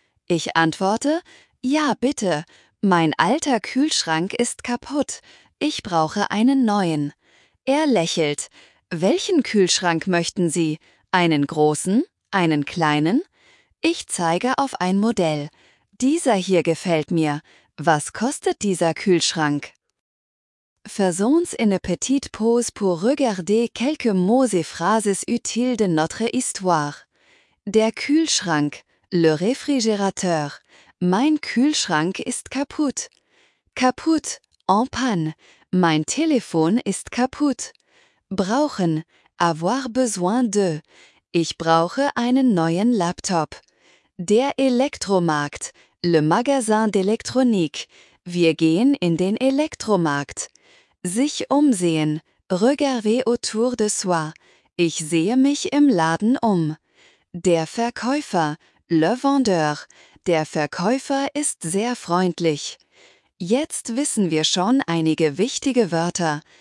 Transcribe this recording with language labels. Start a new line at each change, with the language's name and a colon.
German: Ich antworte, ja, bitte. Mein alter Kühlschrank ist kaputt. Ich brauche einen neuen. Er lächelt. Welchen Kühlschrank möchten Sie? Einen großen? Einen kleinen? Ich zeige auf ein Modell. Dieser hier gefällt mir. Was kostet dieser Kühlschrank?
French: Faisons une petite pause pour regarder quelques mots et phrases utiles de notre histoire.
German: Der Kühlschrank,
French: le réfrigérateur.
German: Mein Kühlschrank ist kaputt. Kaputt,
French: en panne.
German: Mein Telefon ist kaputt. Brauchen,
French: avoir besoin de.
German: Ich brauche einen neuen Laptop. Der Elektromarkt,
French: le magasin d'électronique.
German: Wir gehen in den Elektromarkt. Sich umsehen,
French: regarder autour de soi.
German: Ich sehe mich im Laden um. Der Verkäufer,
French: le vendeur.
German: Der Verkäufer ist sehr freundlich. Jetzt wissen wir schon einige wichtige Wörter.